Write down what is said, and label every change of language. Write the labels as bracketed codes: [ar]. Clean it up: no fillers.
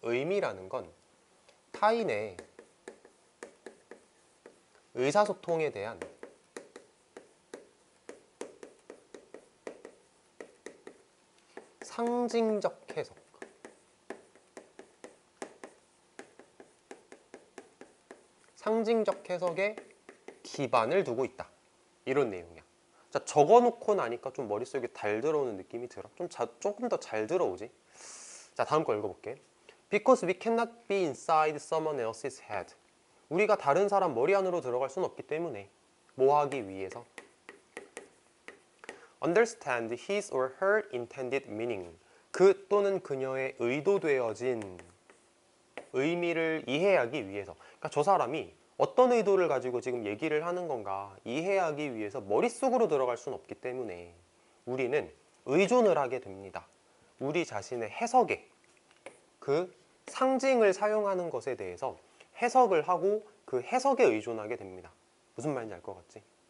[ko] 의미라는 건 타인의 의사소통에 대한 상징적 해석. 상징적 해석에 기반을 두고 있다. 이런 내용이야. 자, 적어놓고 나니까 좀 머릿속에 달 들어오는 느낌이 들어? 조금 더잘 들어오지? 자, 다음 거 읽어볼게. [en] Because we cannot be inside someone else's head. [ko] 우리가 다른 사람 머리 안으로 들어갈 순 없기 때문에. 뭐 하기 위해서? [en] Understand his or her intended meaning. [ko] 그 또는 그녀의 의도되어진 의미를 이해하기 위해서. 그러니까 저 사람이 어떤 의도를 가지고 지금 얘기를 하는 건가 이해하기 위해서 머릿속으로 들어갈 순 없기 때문에 우리는 의존을 하게 됩니다. 우리 자신의 해석에 그 상징을 사용하는 것에 대해서 해석을 하고 그 해석에 의존하게 됩니다. 무슨 말인지 알것 같지?